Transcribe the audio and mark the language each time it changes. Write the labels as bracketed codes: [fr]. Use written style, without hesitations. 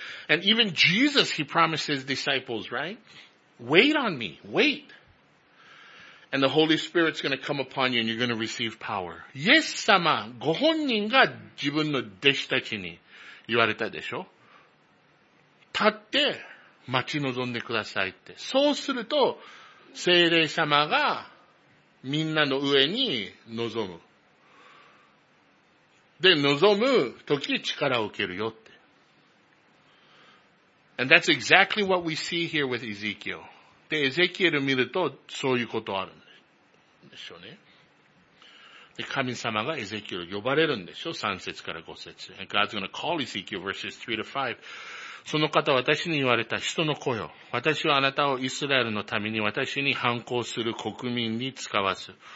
[en] And even Jesus, he promised his disciples, right? Wait on me. Wait. And the Holy Spirit's gonna come upon you and you're gonna receive power. [ja] イエス様、ご本人が自分の弟子たちに言われたでしょ。立って待ち望んでくださいって。そうすると、聖霊様がみんなの上に望む。で、望むとき力を受けるよって。 [en] And that's exactly what we see here with Ezekiel. [ja] で、エゼキエル見るとそういうことあるんでしょうね。で、神様がエゼキエル呼ばれるんでしょ ?3 節から5節。 [en] And God's gonna call Ezekiel verses 3 to 5. [ja] その方は私に言われた人の子よ。私はあなたをイスラエルのために私に反抗する国民に使わす。